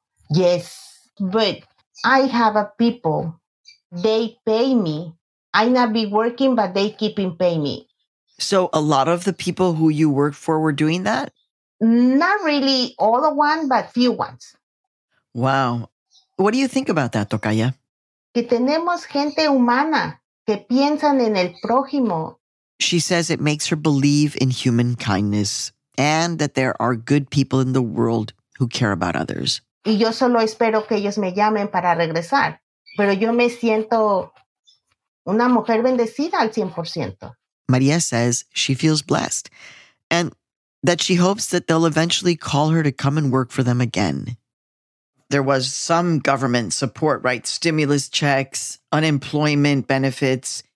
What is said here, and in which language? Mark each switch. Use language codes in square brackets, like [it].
[en] Yes, but I have a people. They pay me. I not be working, but they keep in pay me. So a lot of the people who you work for were doing that? Not really all the one, but few ones. Wow. What do you think about that, Tocaya? [es] Que tenemos gente humana que piensan en el prójimo. [en] She says it makes her believe in human kindness and that there are good people in the world who care about others. [es] Y yo solo espero que ellos me llamen para regresar. Pero yo me siento una mujer bendecida al 100%. [en] Maria says she feels blessed and that she hopes that they'll eventually call her to come and work for them again. There was some government support, right? Stimulus checks, unemployment benefits.